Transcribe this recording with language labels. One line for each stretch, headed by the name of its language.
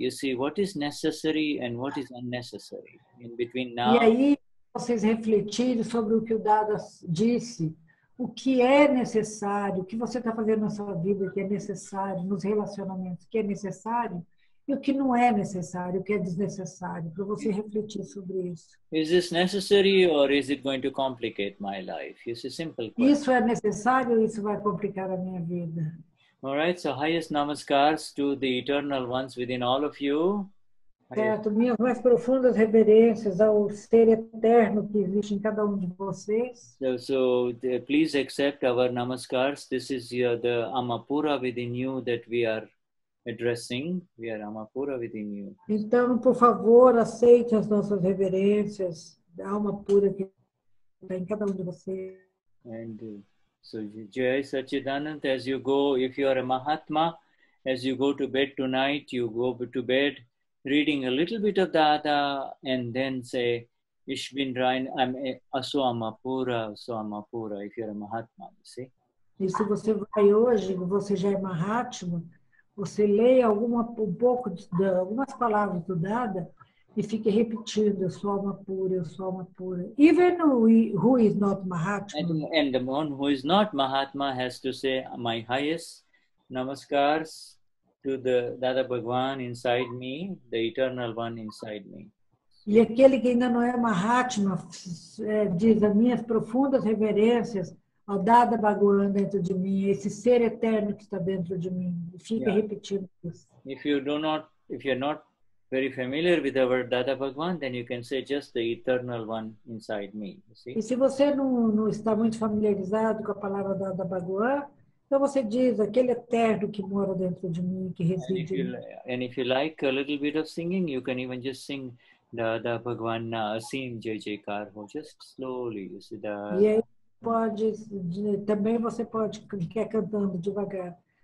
English: You see, what is necessary and what is unnecessary in between now.
Portuguese: E aí, vocês refletirem sobre o que o Dada disse. O que é necessário, o que você está fazendo na sua vida, o que é necessário, nos relacionamentos, o que é necessário, e o que não é necessário, o que é desnecessário, para você refletir sobre isso.
English: Is this necessary or is it going to complicate my life? It's a simple question.
Portuguese: Isso é necessário ou isso vai complicar a minha vida?
English: All right, so highest namaskars to the eternal ones within all of you.
Portuguese: Certo, minhas mais profundas reverências ao ser eterno que existe em cada de vocês.
English: So, please accept our namaskars. This is the Amapura within you that we are addressing. We are Amapura within you.
Portuguese: Então, por favor, aceite as nossas reverências da alma pura que está em cada de vocês.
English: And so, Jai Satchidanand, as you go, if you are a Mahatma, as you go to bed tonight, you go to bed reading a little bit of Dada and then say, Ish bin Rain, I'm Aswamapura, Aswamapura, if you're a Mahatma, you see?
Portuguese: E se você vai hoje, você já é Mahatma, você leia um pouco de algumas palavras do Dada e fique repetindo, Aswamapura, Aswamapura.
English: Even who is not Mahatma. And the one who is not Mahatma has to say, my highest namaskars to the Dada Bhagwan inside me, the eternal one inside me.
Portuguese: E aquele que ainda não é Mahatma diz as minhas profundas reverências ao Dada Bhagwan dentro de mim, esse ser eterno que está dentro de mim. Fica repetindo isso.
English: If you're not very familiar with our Dada Bhagwan, then you can say just the eternal one inside me. You see?
Portuguese: E se você não está muito familiarizado com a palavra Dada Bhagwan, Então você diz aquele eterno que mora dentro de mim, que reside.
English: And if you like a little bit of singing, you can even just sing da Bhagwan na asim jai jai kar ho, just slowly.
Portuguese: E pode também você pode ficar cantando devagar.